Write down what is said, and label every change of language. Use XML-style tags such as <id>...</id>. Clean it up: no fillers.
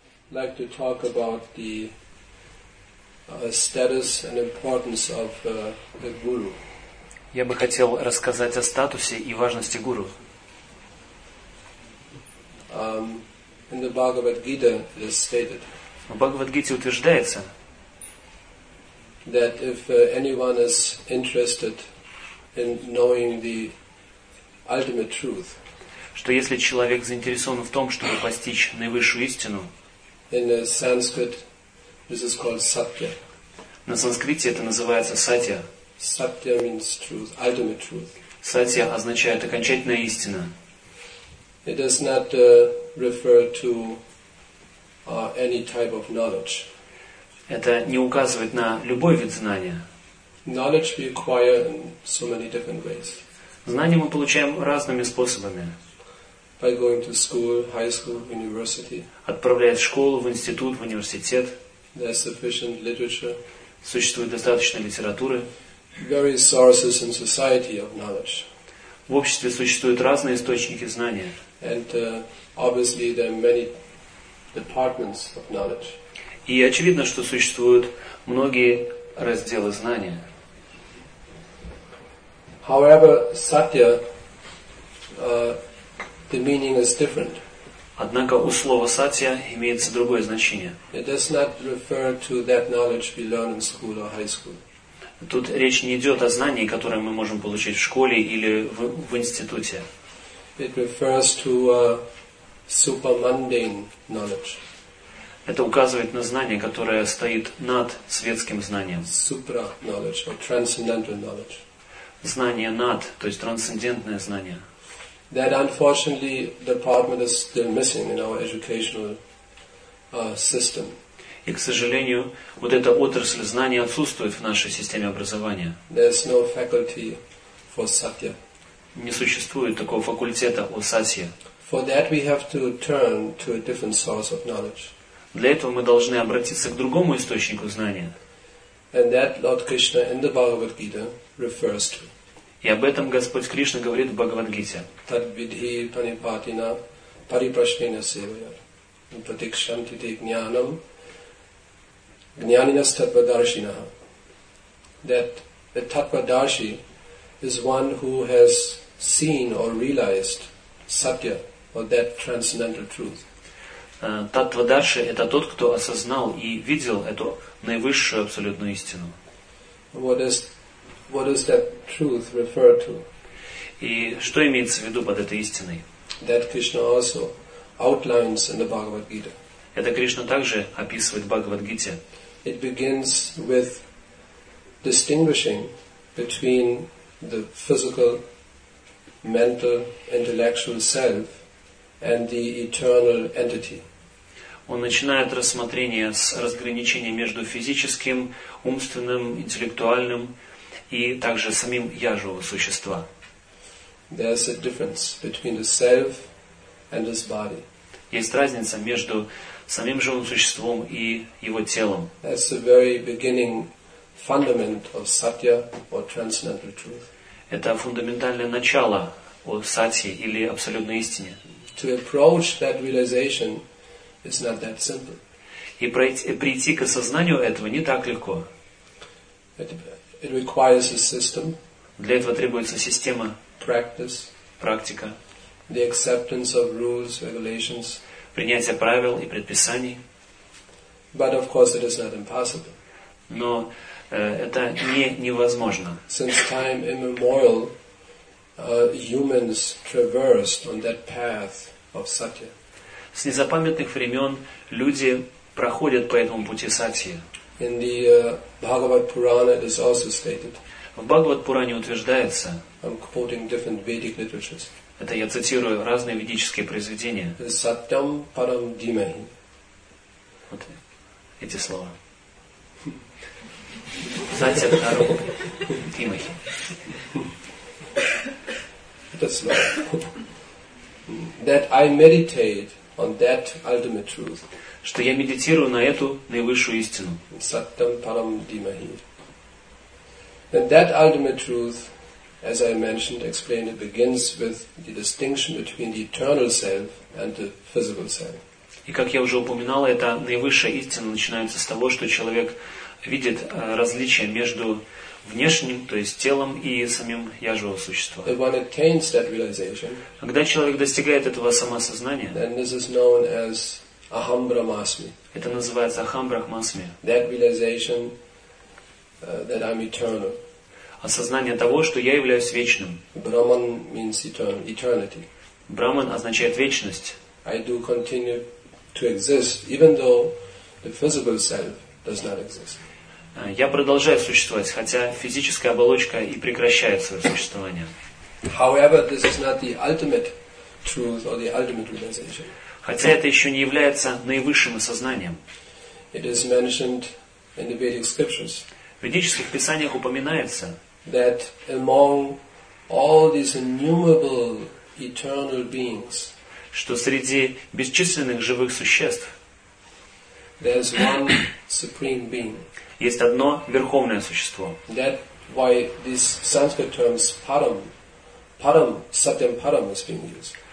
<en>like to talk about the status and importance of the guru.</en> <ru>Я бы хотел рассказать о статусе и важности гуру.</ru> <en>In the Bhagavad Gita it is stated.</en> <ru>В Бхагавад Гите утверждается,</ru> <en>that if anyone is interested in knowing the ultimate truth,</en> <ru>что если человек заинтересован в том, чтобы постичь наивысшую истину,</ru> <en>in the Sanskrit this is called satya.</en> <ru>На санскрите это называется сатья.</ru> <en>Satya means truth, ultimate truth.</en> <ru>Сатья означает окончательная истина.</ru> <en>It does not refer to any type of knowledge.</en> <ru>Это не указывает на любой вид знания.</ru> <en>Knowledge we acquire in so many different ways.</en> <ru>Знания мы получаем разными способами.</ru> <en>By going to school, high school, university.</en> <ru>Отправляясь в школу, в институт, в университет.</ru> <en>There's sufficient literature.</en> <ru>Существует достаточно литературы.</ru> <en>Various sources in society of knowledge.</en> <ru>В обществе существуют разные источники знания.</ru> <en>And obviously there are many departments of knowledge.</en> <ru>И очевидно, что существуют многие разделы знания.</ru> <en>However, satya, the meaning is different.</en> <ru>Однако у слова сатья имеется другое значение.</ru> <en>It does not refer to that knowledge we learn in school or high school.</en> <ru>Тут речь не идет о знании, которое мы можем получить в школе или в институте.</ru> <en>It refers to super-mundane knowledge.</en> <ru>Это указывает на знание, которое стоит над светским знанием.</ru> <en>Supra-knowledge or transcendental knowledge.</en> <ru>Знание над, то есть трансцендентное знание.</ru> <en>That unfortunately department is still missing in our educational system.</en> <ru>И, к сожалению, вот эта отрасль знания отсутствует в нашей системе образования.</ru> <en>There's no faculty for satya.</en> <ru>Не существует такого факультета о сатье.</ru> <en>For that we have to turn to a different source of knowledge.</en> <ru>Для этого мы должны обратиться к другому источнику знания.</ru> <en>And that Lord Krishna in the Bhagavad Gita refers to.</en> <ru>И об этом Господь Кришна говорит в Бхагавад-гите.</ru> <sa>Tad vidhi panipatina pariprashnena sevaya pratikshanti te jnanam jnaninas tattvadarshinaha.</sa> <en>That a tattvadarshi is one who has seen or realized satya, or that transcendental truth.</en> <ru>Таттва-дарши – это тот, кто осознал и видел эту наивысшую абсолютную истину.</ru> <en>What is that truth refer to?</en> <ru>И что имеется в виду под этой истиной?</ru> <en>That Krishna also outlines in the Bhagavad Gita.</en> <ru>Это Кришна также описывает в Бхагавад-гите.</ru> <en>It begins with distinguishing between the physical, mental, intellectual self and the eternal entity.</en> <ru>Он начинает рассмотрение с разграничения между физическим, умственным, интеллектуальным и также самим я живого существа.</ru> <en>There's a difference between the self and his body.</en> <ru>Есть разница между самим живым существом и его телом.</ru> <en>That's the very beginning fundament of satya or transcendental truth.</en> <ru>Это фундаментальное начало о сатье или абсолютной истине.</ru> <en>To approach that realization is not that simple.</en> <ru>И прийти к осознанию этого не так легко.</ru> <en>It requires a system.</en> <ru>Для этого требуется система.</ru> <en>Practice.</en> <ru>Практика.</ru> <en>The acceptance of rules, regulations.</en> <ru>Принятие правил и предписаний.</ru> <en>But of course it is not impossible.</en> <ru>Но это не невозможно.</ru> <en>Since time immemorial, humans traversed on that path of satya.</en> <ru>С незапамятных времен люди проходят по этому пути сатьи.</ru> <en>In the Bhagavad Purana it is also stated.</en> <ru>В Бхагавад Пуране утверждается.</ru> <en>I'm quoting different Vedic literatures.</en> <ru>Это я цитирую разные ведические произведения.</ru> <sa>Satyam param dhimahi.</sa> <ru>Вот эти слова.</ru> <sa>Сатья Харам Димахи.</sa> <ru>Это слово.</ru> <en>That I meditate on that ultimate truth.</en> <ru>Что я медитирую на эту наивысшую истину.</ru> <sa>Саттам парам димахи.</sa> <en>And that ultimate truth, as I mentioned, explained it, begins with the distinction between the eternal self and the physical self.</en> <ru>И как я уже упоминал, это наивысшая истина начинается с того, что человек видит различия между внешним, то есть телом, и самим я живого существа. Когда человек достигает этого самосознания,</ru> <en>then this is known as</en> <sa>aham brahmasmi.</sa> <ru>Это называется</ru> <sa>aham brahmasmi.</sa> <en>That realization, that I'm eternal.</en> <ru>Осознание того, что я являюсь вечным.</ru> <en>Brahman means eternity.</en> <ru>Brahman означает вечность.</ru> <en>I do continue to exist, even though the physical self does not exist.</en> <ru>Я продолжаю существовать, хотя физическая оболочка и прекращает свое существование.</ru> <en>However, this is not the ultimate truth or the ultimate realization.</en> <ru>Хотя это еще не является наивысшим осознанием.</ru> <en>It is mentioned in the Vedic scriptures.</en> <ru>В ведических писаниях упоминается,</ru> <en>that among all these innumerable eternal beings,</en> <ru>что среди бесчисленных живых существ,</ru> <en>there is one supreme being.</en> <ru>Есть одно верховное существо.</ru> <en>That why these Sanskrit terms</en> <sa>param, param, satyam param</sa> <en>is being used.</en>